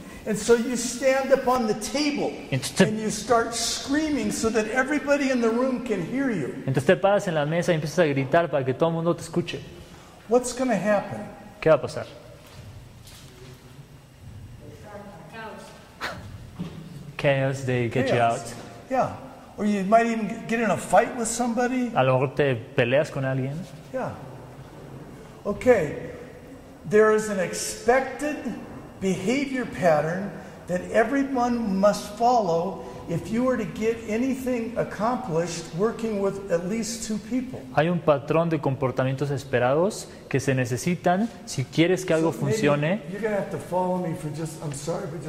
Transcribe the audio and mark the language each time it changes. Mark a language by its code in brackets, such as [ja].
[en] And so you stand up on the table and you start screaming so that everybody in the room can hear you. [es] Entonces te paras en la mesa y empiezas a gritar para que todo el mundo te escuche. [en] What's going to happen? [es] ¿Qué va a pasar? [en] Chaos. They get chaos. You out. Yeah. Or you might even get in a fight with somebody. [es] A lo mejor te peleas con alguien. [en] Yeah. Okay. There is an expected behavior pattern that everyone must follow if you are to get anything accomplished working with at least two people. [es] Hay un patrón de comportamientos esperados que se necesitan si quieres que algo funcione. [en] You're going to have to follow me for just, I'm sorry, but just